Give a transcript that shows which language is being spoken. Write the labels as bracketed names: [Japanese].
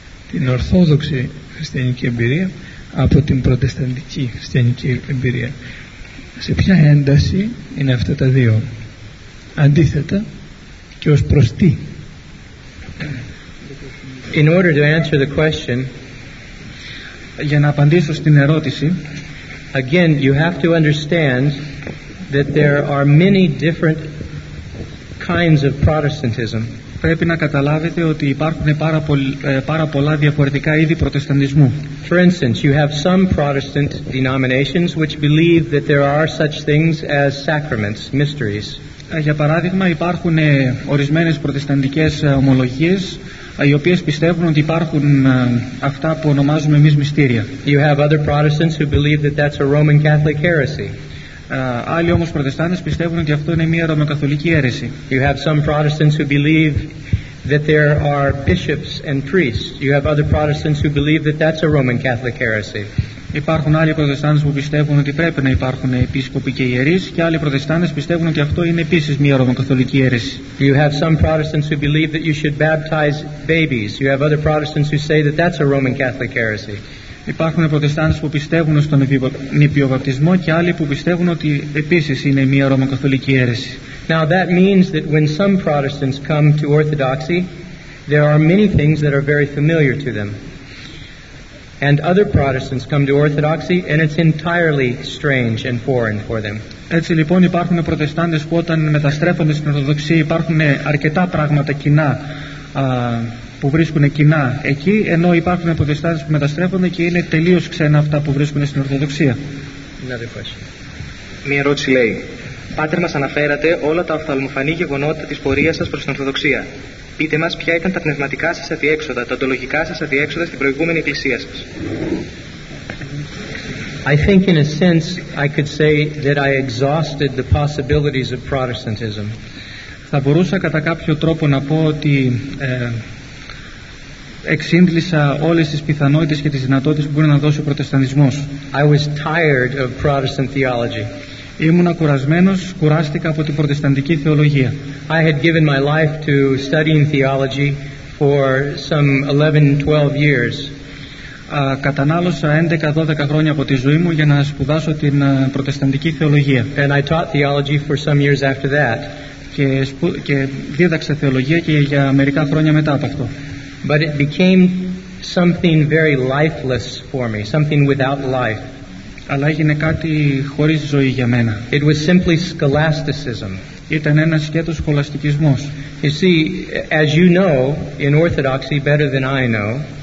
[Greek] την ορθόδοξη χριστιανική εμπειρία από την προτεσταντική χριστιανική εμπειρία. Σε ποια ένταση είναι αυτά τα δύο αντίθετα και ως προς τι? [English] In order to answer the question, [Greek] για να απαντήσω στην ερώτηση, [English] again you have to understand that there are many different kinds of Protestantism. [Greek] Πρέπει να καταλάβετε ότι υπάρχουν πάρα πολλά διαφορετικά είδη προτεσταντισμού. [English] For instance, you have some Protestant denominations which believe that there are such things as sacraments, mysteries. [Greek] Για παράδειγμα, υπάρχουν ορισμένες προτεσταντικές ομολογίες οι οποίες πιστεύουν ότι υπάρχουν αυτά που ονομάζουμε εμείς μυστήρια. [English] You have other Protestants who believe that that's a Roman Catholic heresy. [Greek] Άλλοι όμως Προτεστάντες πιστεύουν ότι αυτό είναι μια ρωμαιοκαθολική αίρεση. [English] You have some Protestants who believe that there are bishops and priests. You have other Protestants who believe that that's a Roman Catholic heresy. [Greek] Υπάρχουν άλλοι Προτεστάντες που πιστεύουν ότι πρέπει να υπάρχουν επίσκοποι και ιερείς, και άλλοι Προτεστάντες πιστεύουν ότι αυτό είναι επίσης μια ρωμαιοκαθολική αίρεση. [English] You have some Protestants who believe that you should baptize babies. You have other Protestants who say that that's a Roman Catholic heresy. [Greek] Υπάρχουν Προτεστάντες που πιστεύουν στον νηπιοβαπτισμό και άλλοι που πιστεύουν ότι επίσης είναι μια ρωμαιοκαθολική αίρεση. [English] Now that means that when some Protestants come to Orthodoxy, there are many things that are very familiar to them. And other Protestants come to Orthodoxy and it's entirely strange and foreign for them. [Greek] Έτσι λοιπόν υπάρχουν Προτεστάντες που όταν μεταστρέφονται στην Ορθοδοξία υπάρχουν αρκετά πράγματα κοινά που βρίσκουν κοινά εκεί, ενώ υπάρχουν Προτεστάντες που μεταστρέφονται και είναι τελείως ξένα αυτά που βρίσκουν στην Ορθοδοξία. Μία ερώτηση λέει: Πάτερ, μας αναφέρατε όλα τα οφθαλμοφανή γεγονότα της πορείας σας προς την Ορθοδοξία. Πείτε μας ποια ήταν τα πνευματικά σας αδιέξοδα, τα οντολογικά σας αδιέξοδα στην προηγούμενη εκκλησία σας. [English] I think in a sense I could say that I exhausted the possibilities of Protestantism. [Greek] Θα μπορούσα κατά κάποιο τρόπο να πω ότι εξύντλησα όλες τις πιθανότητες και τις δυνατότητες που μπορεί να δώσει ο Προτεσταντισμός. [English] I was tired of Protestant theology. [Greek] Ήμουνα κουρασμένος, κουράστηκα από την Προτεσταντική θεολογία. [English] I had given my life to studying theology for some 11-12 years. [Greek] Κατανάλωσα 11-12 χρόνια από τη ζωή μου για να σπουδάσω την Προτεσταντική θεολογία. [English] And I taught theology for some years after that. [Greek] Και δίδαξα θεολογία και για μερικά χρόνια μετά από αυτό. [English] But it became something very lifeless for me, something without life. [Greek] Αλλά έγινε κάτι χωρίς ζωή για μένα. [English] It was simply scholasticism. [Greek] Ήταν ένας σκέτος σχολαστικισμός. [English] You see, as you know, in Orthodoxy, better than I know,